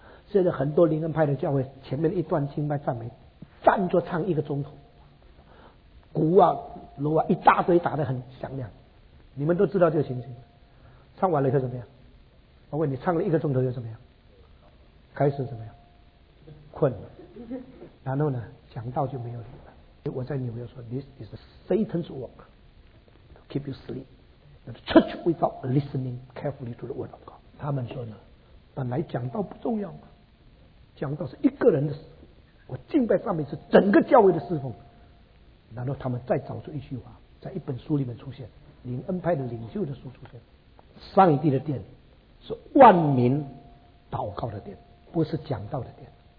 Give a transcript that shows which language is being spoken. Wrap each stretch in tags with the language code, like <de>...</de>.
<zh>现在很多灵恩派的教会前面一段敬拜赞美站着唱一个钟头，鼓啊锣啊一大堆打得很响亮，你们都知道这个情形。唱完了又怎么样？我问你，唱了一个钟头又怎么样？开始怎么样？困了。然后呢，讲道就没有理了。我在纽约说</zh> <en>This is a Satan's work to keep you asleep. The church without listening carefully to the word of God.</en> <zh>他们说呢，本来讲道不重要嘛，讲道是一个人的事，我敬拜上面是整个教会的侍奉。然后他们再找出一句话，在一本书里面出现，灵恩派的领袖的书出现，上帝的殿是万民祷告的殿，不是讲道的殿。</zh>